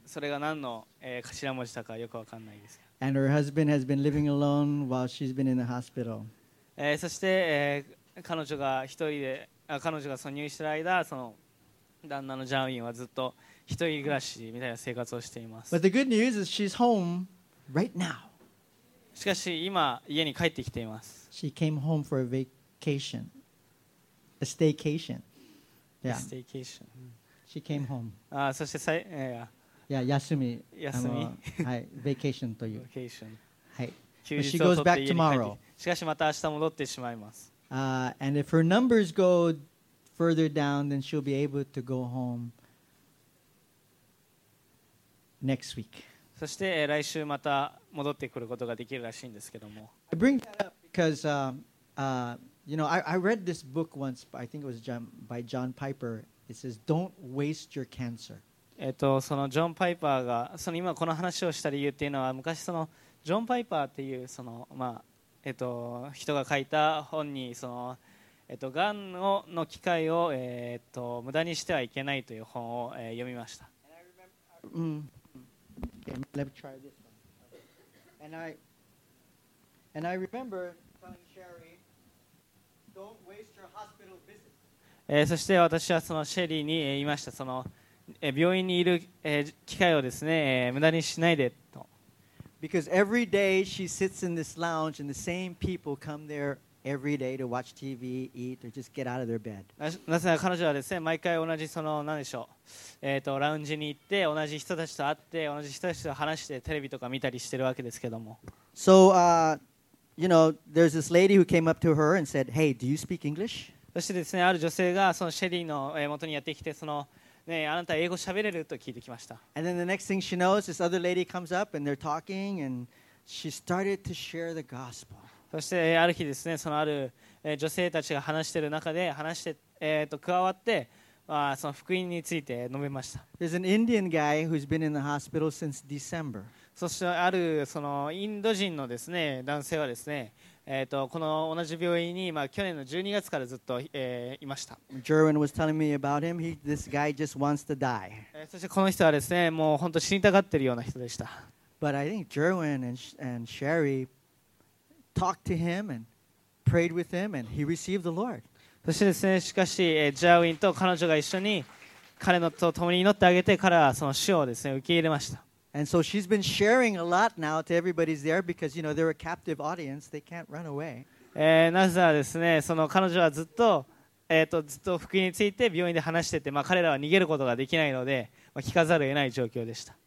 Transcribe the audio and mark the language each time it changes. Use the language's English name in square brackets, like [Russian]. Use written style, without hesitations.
[Japanese] それが何の、頭文字だかよくわかんないです。 [English] And her husband has been living alone while she's been in the hospital. [Japanese] そして、彼女が一人で、彼女が入院してる間、その旦那のジャーウィンはずっと一人暮らしみたいな生活をしています。 [English] But the good news is she's home right now. [Japanese] しかし今家に帰ってきています。 [English] She came home for a vacation. A staycation. Yeah. A staycation. She came home. [Japanese] ああ、そして最、いや。いや、休み。休み。はい。 Vacation という。 [English] Vacation. [Japanese] はい。 [English] But she goes back tomorrow. [Japanese] しかしまた明日戻ってしまいます。 [English] And if her numbers go further down, then she'll be able to go home. Next week. [Japanese] そして、来週また戻ってくることができるらしいんですけども。 [English] I bring that up because, you know, I read this book once, I think it was by John Piper. It says, Don't waste your cancer. [Japanese] そのジョン・パイパーが、その今この話をした理由っていうのは、昔そのジョン・パイパーっていうその、まあ、人が書いた本にその、がんをの機会を、無駄にしてはいけないという本を、読みました。 [English] Okay, let me try this one. And I remember telling Sherry, "Don't waste your hospital visit." [Japanese] そして私はそのシェリーに言いました。その病院にいる機会をですね、無駄にしないでと。 [English] Because every day she sits in this lounge, and the same people come there every day to watch TV, eat, or just get out of their bed. [Japanese] なぜなら彼女はですね、毎回同じその何でしょう。ラウンジに行って同じ人たちと会って同じ人たちと話してテレビとか見たりしてるわけですけども。 [English] So, you know, there's this lady who came up to her and said, "Hey, do you speak English?" [Japanese] そしてですね、ある女性がそのシェリーの元にやってきて、そのね、あなた英語喋れると聞いてきました。 [English] And then the next thing she knows, this other lady comes up and they're talking, and she started to share the gospel. [Japanese] そしてある日ですね、そのある女性たちが話してる中で話して加わって。その福音について述べました。 [English] There's an Indian guy who's been in the hospital since December. [Japanese] そしてあるそのインド人のですね、男性はですね、この同じ病院に、まあ、去年の12月からずっと、いました。 [English] Jerwin was telling me about him. This guy just wants to die. [Japanese] そしてこの人はですね、もう本当死にたがってるような人でした。 [English] But I think Jerwin and Sherry talked to him and prayed with him and he received the Lord. [Japanese] そしてですね、しかし、ジャーウィンと彼女が一緒に彼のと共に祈ってあげて、彼はその死をですね、受け入れました。 [English] And so she's been sharing a lot now to everybody there because, you know, they're a captive audience. They can't run away. [Japanese] なぜならですね、その彼女はずっと福音について病院で話してて、まあ、彼らは逃げることができないので、まあ、聞かざるを得ない状況でした。